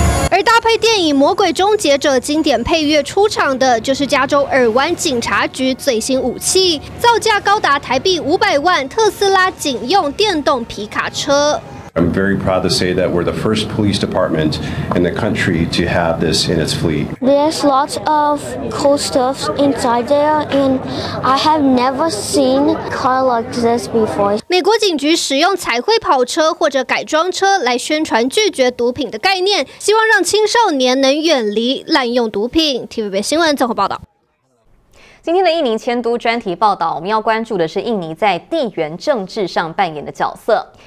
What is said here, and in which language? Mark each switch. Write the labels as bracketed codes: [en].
[zh] 而搭配电影《魔鬼终结者》经典配乐出场的，就是加州尔湾警察局最新武器，造价高达台币500万特斯拉警用电动皮卡车。 [en] I'm very proud to say that we're the first police department in the country to have this in its fleet. There's lots of cool stuff inside there, and I have never seen a car like this before. [zh] 美国警局使用彩绘跑车或者改装车来宣传拒绝毒品的概念，希望让青少年能远离滥用毒品。 TVB 新闻综合报道。今天的印尼迁都专题报道，我们要关注的是印尼在地缘政治上扮演的角色。